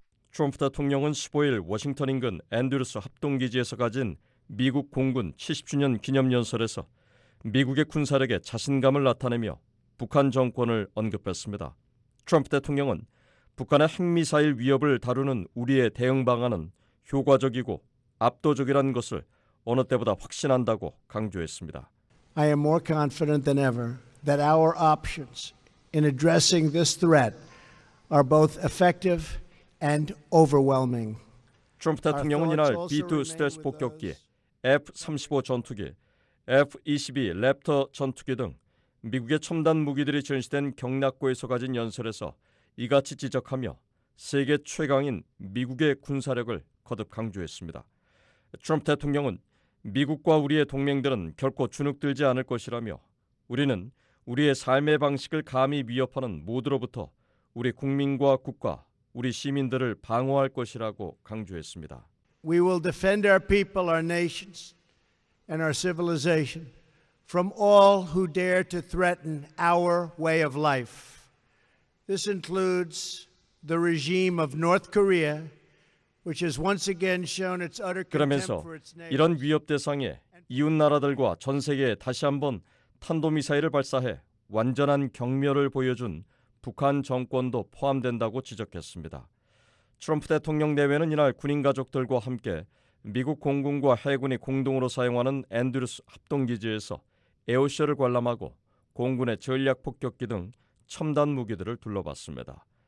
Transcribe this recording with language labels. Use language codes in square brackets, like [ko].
[ko] 트럼프 대통령은 15일 워싱턴 인근 앤드루스 합동기지에서 가진 미국 공군 70주년 기념연설에서 미국의 군사력에 자신감을 나타내며 북한 정권을 언급했습니다. 트럼프 대통령은 북한의 핵미사일 위협을 다루는 우리의 대응 방안은 효과적이고 압도적이라는 것을 어느 때보다 확신한다고 강조했습니다. [en] I am more confident than ever that our options in addressing this threat are both effective and overwhelming. [ko] 트럼프 대통령은 이날 B-2 스텔스 폭격기, F-35 전투기, F-22 랩터 전투기 등 미국의 첨단 무기들이 전시된 경락고에서 가진 연설에서 이같이 지적하며 세계 최강인 미국의 군사력을 거듭 강조했습니다. 트럼프 대통령은 미국과 우리의 동맹들은 결코 주눅들지 않을 것이라며 우리는 우리의 삶의 방식을 감히 위협하는 모두로부터 우리 국민과 국가, 우리 시민들을 방어할 것이라고 강조했습니다. [en] We will defend our people, our nations, and our civilization from all who dare to threaten our way of life. This includes the regime of North Korea, which has once again shown its utter contempt for its neighbors. [ko] 이런 위협 대상에 이웃 나라들과 전 세계에 다시 한번 탄도미사일을 발사해 완전한 경멸을 보여준 북한 정권도 포함된다고 지적했습니다. 트럼프 대통령 내외는 이날 군인 가족들과 함께 미국 공군과 해군이 공동으로 사용하는 앤드루스 합동기지에서 에어쇼를 관람하고 공군의 전략 폭격기 등 첨단 무기들을 둘러봤습니다.